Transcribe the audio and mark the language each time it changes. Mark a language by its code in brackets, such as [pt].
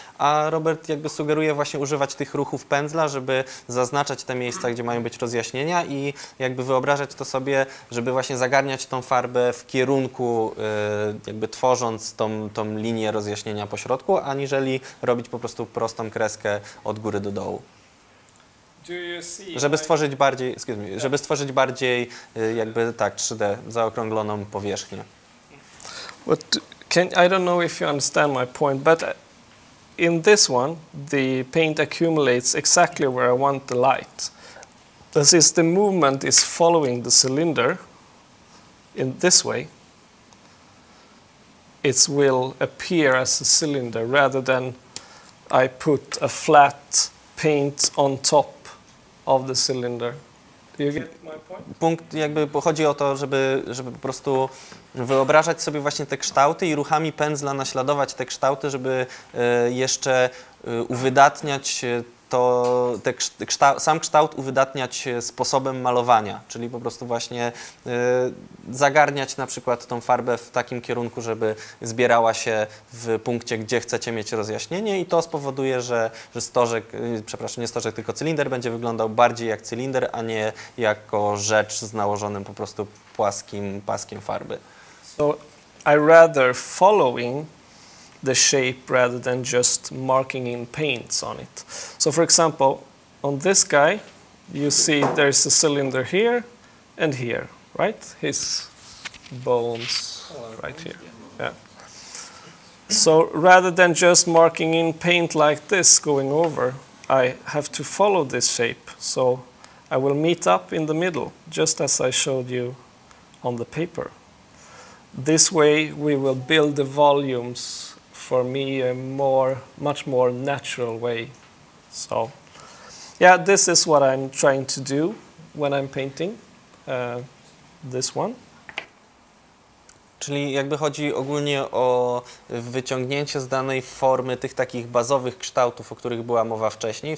[pl] A Robert jakby sugeruje właśnie używać tych ruchów pędzla, żeby zaznaczać te miejsca, gdzie mają być rozjaśnienia, i jakby wyobrażać to sobie, żeby właśnie zagarniać tą farbę w kierunku, jakby tworząc tą linię rozjaśnienia po środku, aniżeli robić po prostu prostą kreskę od góry do dołu. Żeby stworzyć bardziej jakby tak 3D, zaokrągloną powierzchnię. [en] I don't know if you understand my point, but in this one the paint accumulates exactly where I want the light. This is the movement is following the cylinder in this way. It will appear as a cylinder rather than I put a flat paint on top of the cylinder. Do you get my point? Punkt jakby pochodzi o to, żeby po prostu wyobrażać sobie właśnie te kształty i ruchami pędzla naśladować te kształty, żeby jeszcze uwydatniać to, sam kształt uwydatniać sposobem malowania, czyli po prostu właśnie zagarniać na przykład tą farbę w takim kierunku, żeby zbierała się w punkcie, gdzie chcecie mieć rozjaśnienie, i to spowoduje, że stożek, przepraszam, nie stożek, tylko cylinder będzie wyglądał bardziej jak cylinder, a nie jako rzecz z nałożonym po prostu płaskim paskiem farby. So I rather following the shape rather than just marking in paints on it. So for example, on this guy, you see there's a cylinder here and here, right? His bones right here, yeah. So rather than just marking in paint like this going over, I have to follow this shape. So I will meet up in the middle, just as I showed you on the paper. This way we will build the volumes for me a much more natural way. So Yeah, this is what I'm trying to do when I'm painting this one. [pl] Czyli jakby chodzi ogólnie o wyciągnięcie z danej formy tych takich bazowych kształtów, o których była mowa wcześniej.